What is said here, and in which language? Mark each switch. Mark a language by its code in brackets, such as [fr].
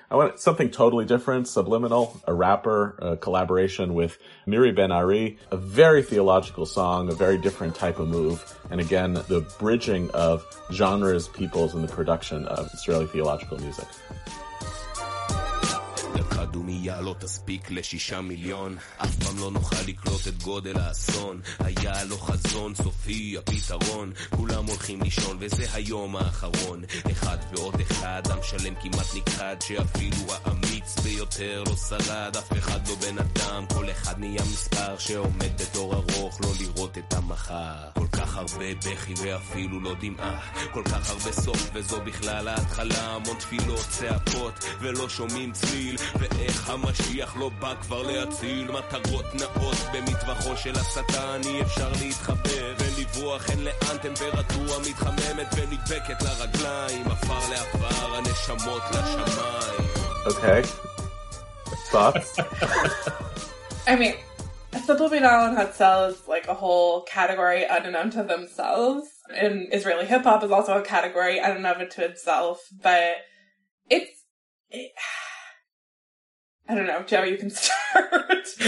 [en] I want something totally different, subliminal, a rapper, a collaboration with Miri Ben-Ari, a very theological song, a very different type of move. And again, the bridging of genres, peoples, and the production of Israeli theological music. [he] דומיה לא תספיק לשישה מיליון אף פעם לא נוכל לקלוט את גודל האסון היה לו חזון סופי הפתרון כולם הולכים לישון וזה היום האחרון אחד ועוד אחד עם שלם כמעט נכחד שאפילו האמיץ ביותר לא שרד אף אחד לא בן אדם כל אחד נהיה מספר שעומד בתור ארוך לא לראות את המחר כל כך הרבה בכי ואפילו לא דמעה כל כך הרבה סוף וזו בכלל ההתחלה המון תפילות צעקות ולא שומעים צליל איך המשיח לא בא כבר להציל מטרות נאות במטווחו של השטן אי אפשר להתחבר ולברוח אין לאן טמפרטורה מתחממת ונדבקת לרגליים עפר לעפר הנשמות לשמיים אוקיי, [en] thoughts? I mean, Simple Minal and Hatzel is like a whole category in and unto themselves. And Israeli hip hop is also a category in and of it to itself. But I don't know. Joe, you can start.